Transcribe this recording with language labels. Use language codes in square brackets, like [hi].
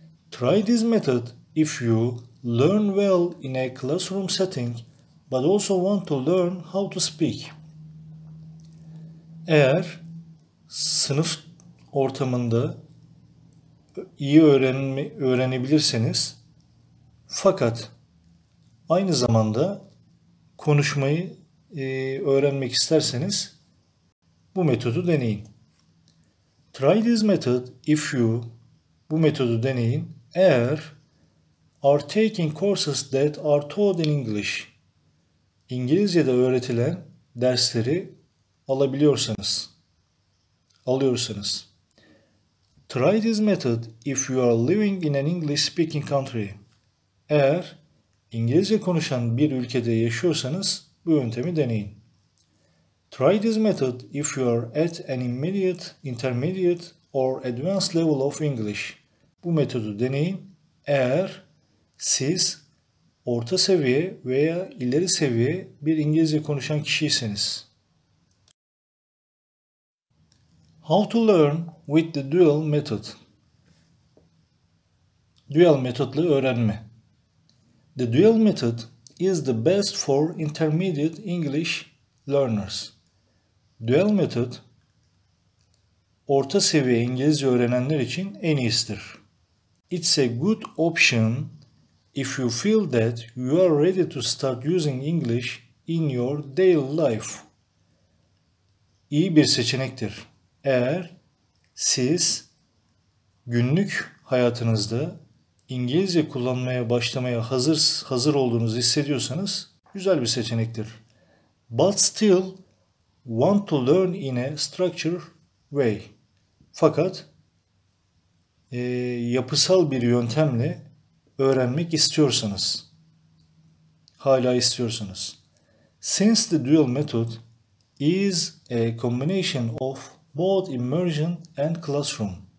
[en] Try this method if you learn well in a classroom setting but also want to learn how to speak. [tr] Eğer sınıf ortamında iyi öğrenebilirseniz fakat aynı zamanda konuşmayı öğrenmek isterseniz bu metodu deneyin. [en] Try this method if you, [tr] bu metodu deneyin, eğer [en] are taking courses that are taught in English, [tr] İngilizce'de öğretilen dersleri alıyorsanız. [en] Try this method if you are living in an English speaking country, [tr] eğer İngilizce konuşan bir ülkede yaşıyorsanız bu yöntemi deneyin. [en] Try this method if you are at an immediate, intermediate or advanced level of English. [tr] Bu metodu deneyin eğer siz orta seviye veya ileri seviye bir İngilizce konuşan kişiyseniz. [en] How to learn with the dual method? [tr] Dual metotlu öğrenme. [en] The dual method is the best for intermediate English learners. [tr] Dual method, orta seviye İngilizce öğrenenler için en iyisidir. [en] It's a good option if you feel that you are ready to start using English in your daily life. [tr] İyi bir seçenektir. Eğer Siz günlük hayatınızda İngilizce kullanmaya başlamaya hazır olduğunuzu hissediyorsanız güzel bir seçenektir. [en] But still want to learn in a structured way. [tr] Fakat yapısal bir yöntemle öğrenmek istiyorsanız, hala istiyorsanız. [en] Since the dual method is a combination of both immersion and classroom.